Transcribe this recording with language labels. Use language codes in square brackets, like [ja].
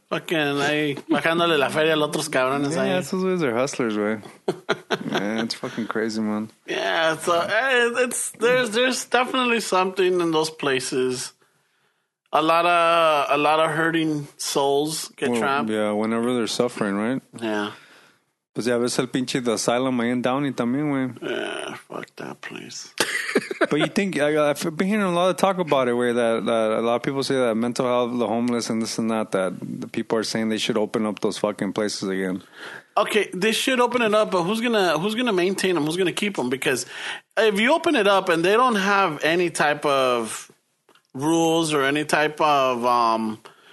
[es] Fucking, ahí, bajándole la feria a los otros cabrones ahí. [en] Yeah, [es] esos güeyes [en] are hustlers, güey. Yeah, it's fucking crazy, man. Yeah, so, it's, there's definitely something in those places. A lot of hurting souls get trapped. Yeah, whenever they're suffering, right? Yeah. [es] Pues ya ves el pinche de Asylum ahí en Downey también, güey. [en] Yeah, fuck that place. But you think, I've been hearing a lot of talk about it, where that a lot of people say that mental health, the homeless and this and that, that the people are saying they should open up those fucking places again. Okay, they should open it up, but who's gonna maintain them? Who's going to keep them? Because if you open it up and they don't have any type of rules or any type of...